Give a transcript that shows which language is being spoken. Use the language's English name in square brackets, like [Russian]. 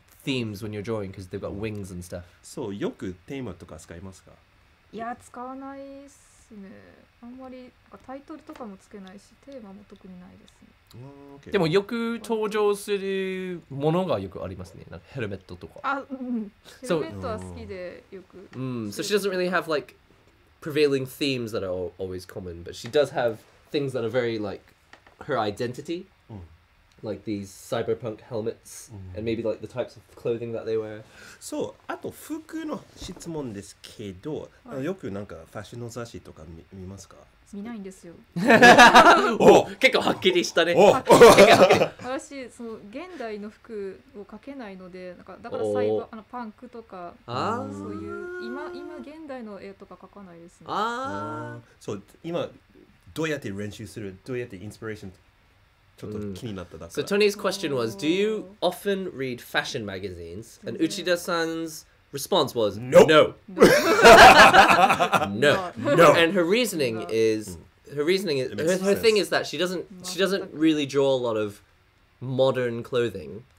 [English] Themes when you're drawing because they've got wings and stuff. [Japanese] So, よくテーマとか使いますか? いや、使わないですね。あんまりなんかタイトルとかもつけないし、テーマも特にないですね。でもよく登場するものがよくありますね。なんかヘルメットとか。あ、ヘルメットは好きでよく。 [English] So she doesn't really have like prevailing themes that are always common, but she does have things that are very like her identity. Like these cyberpunk helmets, and maybe like the types of clothing that they wear. [Japanese] So, あと服の質問ですけど、よくなんかファッションの雑誌とか見ますか？見ないんですよ。お、結構はっきりしたね。私その現代の服を描けないので、なんかだからサイバーあのパンクとかそういう今現代の絵とか描かないですね。ああ、そう今どうやって練習する、どうやってインスピレーション。 [English] So Tony's question was, do you often read fashion magazines? And Uchida-san's response was, No. And her reasoning is that she doesn't really draw a lot of modern clothing.